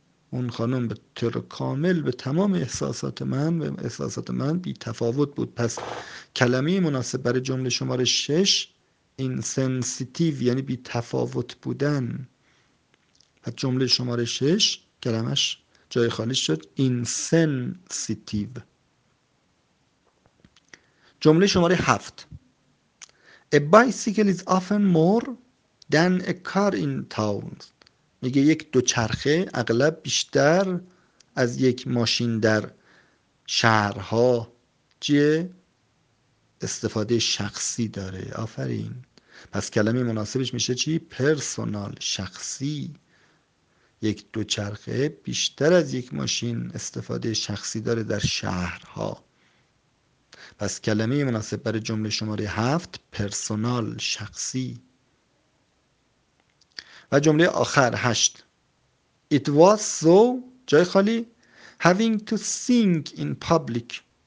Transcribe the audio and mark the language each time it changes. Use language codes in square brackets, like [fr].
[fa] اون خانم به طور کامل به تمام احساسات من و احساسات من بی تفاوت بود. پس کلمه مناسب برای جمله شماره 6 insensitive یعنی بی تفاوت بودن. پس جمله شماره 6 کلمش جای خالی شد insensitive. جمله شماره 7 [en] A bicycle is often more than a car in town. [fa] میگه یک دوچرخه اغلب بیشتر از یک ماشین در شهرها چیه؟ استفاده شخصی داره. آفرین. پس کلمه مناسبش میشه چی؟ پرسونال، شخصی. یک دوچرخه بیشتر از یک ماشین استفاده شخصی داره در شهرها. پس کلمه مناسب برای جمله شماره 7 پرسونال، شخصی. و جمله آخر 8 [en] It was so [fa] جای خالی [en] having to sing in public.